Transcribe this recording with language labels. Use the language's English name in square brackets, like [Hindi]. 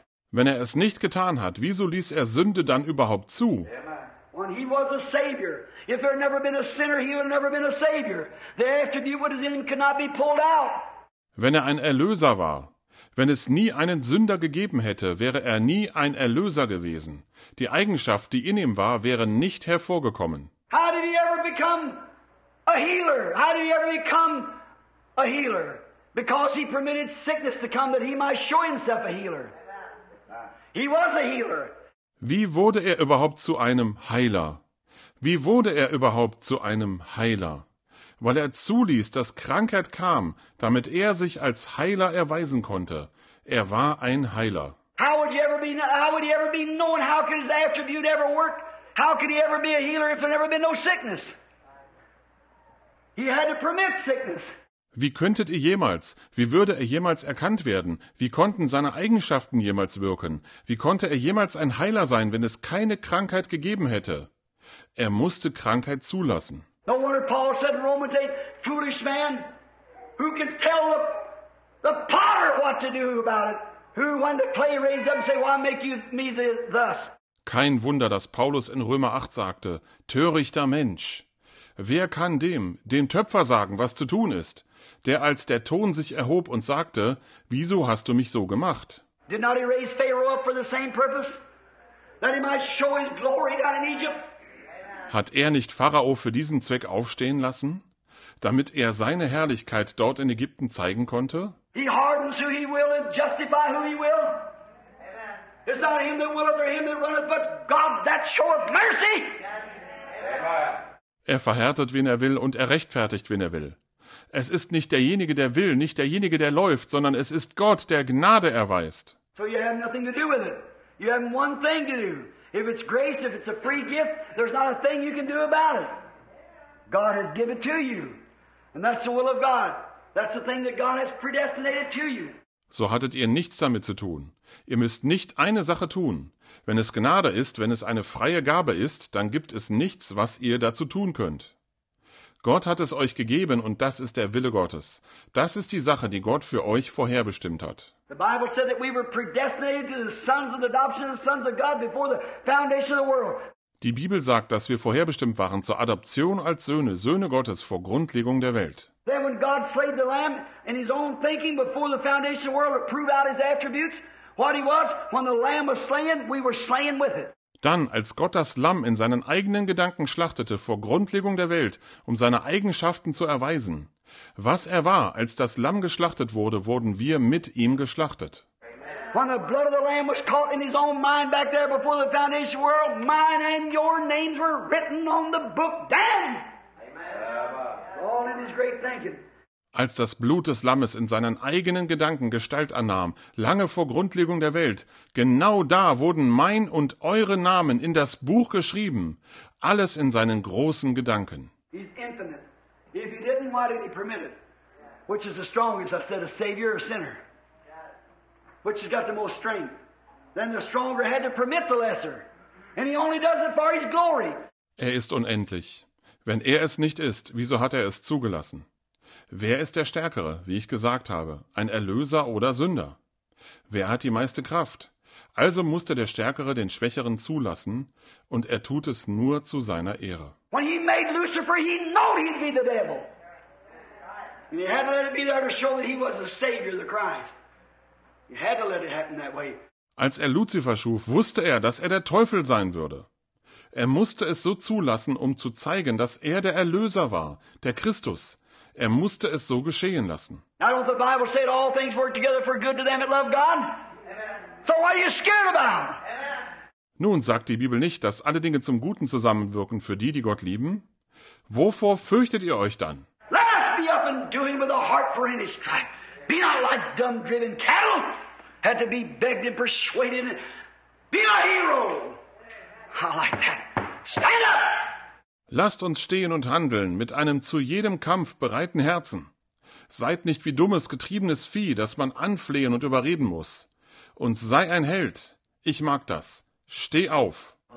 [German] Wenn er es nicht getan hat, wieso ließ er Sünde dann überhaupt zu? [English] When he was a savior. If there had never been a sinner, he would have never been a savior. The attribute was in him could not be pulled out. [German] Wenn er ein Erlöser war, wenn es nie einen Sünder gegeben hätte, wäre er nie ein Erlöser gewesen. Die Eigenschaft, die in ihm war, wäre nicht hervorgekommen. [English] How did he ever become a healer? How did he ever become a healer? Because he permitted sickness to come that he might show himself a healer. He was a healer. [German] Wie wurde er überhaupt zu einem Heiler? Wie wurde er überhaupt zu einem Heiler? Weil er zuließ, dass Krankheit kam, damit er sich als Heiler erweisen konnte. Er war ein Heiler. [English] How would he ever be? How would he ever be known? How could his attribute ever work? How could he ever be a healer if there never been no sickness? He had to permit sickness. [German] Wie könntet ihr jemals, wie würde er jemals erkannt werden? Wie konnten seine Eigenschaften jemals wirken? Wie konnte er jemals ein Heiler sein, wenn es keine Krankheit gegeben hätte? Er musste Krankheit zulassen. [English] No wonder Paul said in Romans 8, foolish man, who can tell the potter what to do about it? Who, when the clay raised up and say, why make you me thus? [German] Kein Wunder, dass Paulus in Römer 8 sagte, törichter Mensch. Wer kann dem Töpfer sagen, was zu tun ist, der als der Ton sich erhob und sagte, wieso hast du mich so gemacht? [English] Did not he raise Pharaoh up for the same purpose, that he might show his glory down in Egypt? [German] Hat er nicht Pharao für diesen Zweck aufstehen lassen, damit er seine Herrlichkeit dort in Ägypten zeigen konnte? [English] He hardens who he will and justify who he will. Amen. It's not him that willeth or him that runneth, but God that showeth mercy. Amen. [German] Er verhärtet, wen er will, und er rechtfertigt, wen er will. Es ist nicht derjenige, der will, nicht derjenige, der läuft, sondern es ist Gott, der Gnade erweist. [English] So you have nothing to do with it. You have one thing to do. If it's grace, if it's a free gift, there's not a thing you can do about it. God has given it to you. And that's the will of God. That's the thing that God has predestinated to you. [German] So hattet ihr nichts damit zu tun. Ihr müsst nicht eine Sache tun. Wenn es Gnade ist, wenn es eine freie Gabe ist, dann gibt es nichts, was ihr dazu tun könnt. Gott hat es euch gegeben und das ist der Wille Gottes. Das ist die Sache, die Gott für euch vorherbestimmt hat. [English] The Bible said that we were predestinated to the sons of adoption, the sons of God before the foundation of the world. [German] Die Bibel sagt, dass wir vorherbestimmt waren zur Adoption als Söhne, Söhne Gottes vor Grundlegung der Welt. [English] Then when God slayed the lamb in his own thinking before the foundation of the world to prove out his attributes, what he was, when the lamb was slain, we were slain with it. [German] Dann, als Gott das Lamm in seinen eigenen Gedanken schlachtete vor Grundlegung der Welt, um seine Eigenschaften zu erweisen, was er war, als das Lamm geschlachtet wurde, wurden wir mit ihm geschlachtet. [English] When the blood of the lamb was caught in his own mind back there before the foundation of the world, mine and your names were written on the book damned. Amen. All in his great thinking. [German] Als das Blut des Lammes in seinen eigenen Gedanken Gestalt annahm, lange vor Grundlegung der Welt, genau da wurden mein und eure Namen in das Buch geschrieben, alles in seinen großen Gedanken. [English] He's infinite. If he didn't, why did he permit it? Which is the strongest, I said, a savior or a sinner? Which has got the most strength? Then the stronger had to permit the lesser. And he only does it for his glory. [German] Er ist unendlich. Wenn er es nicht ist, wieso hat er es zugelassen? Wer ist der Stärkere, wie ich gesagt habe, ein Erlöser oder Sünder? Wer hat die meiste Kraft? Also musste der Stärkere den Schwächeren zulassen, und er tut es nur zu seiner Ehre. [English] When he made Lucifer, he knew he'd be the devil. And he had to let it be there to show that he was the Savior, the Christ. He had to let it happen that way. [German] Als er Lucifer schuf, wusste er, dass er der Teufel sein würde. Er musste es so zulassen, um zu zeigen, dass er der Erlöser war, der Christus. Er musste es so geschehen lassen. [English] Now don't the Bible say that all things work together for good to them that love God? Amen. So what are you scared about? Amen. [German] Nun sagt die Bibel nicht, dass alle Dinge zum Guten zusammenwirken für die, die Gott lieben? Wovor fürchtet ihr euch dann? [English] Let us be up and doing with a heart for any strife. Be not like dumb driven cattle. Had to be begged and persuaded. Be a hero. I like that. Stand up. [German] Lasst uns stehen und handeln mit einem zu jedem Kampf bereiten Herzen. Seid nicht wie dummes, getriebenes Vieh, das man anflehen und überreden muss. Und sei ein Held. Ich mag das. Steh auf.